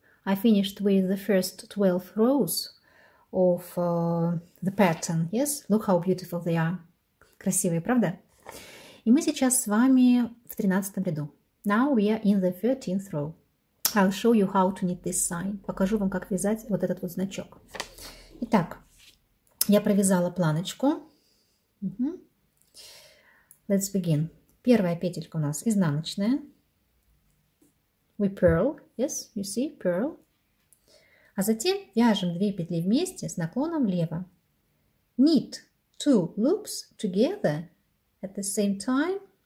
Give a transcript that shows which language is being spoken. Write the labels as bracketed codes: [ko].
[en] I finished with the first 12 rows of the pattern. Yes? Look how beautiful they are. [ru] Красивые, правда? И мы сейчас с вами в 13 ряду. [en] Now we are in the 13th row. I'll show you how to knit this sign. [ru] Покажу вам, как вязать вот этот вот значок. Итак, я провязала планочку. [en] Let's begin. [ru] Первая петелька у нас изнаночная. [en] We purl. Yes, you see, purl. [ru] А затем вяжем 2 петли вместе с наклоном влево. [en] Knit two loops together at the same time.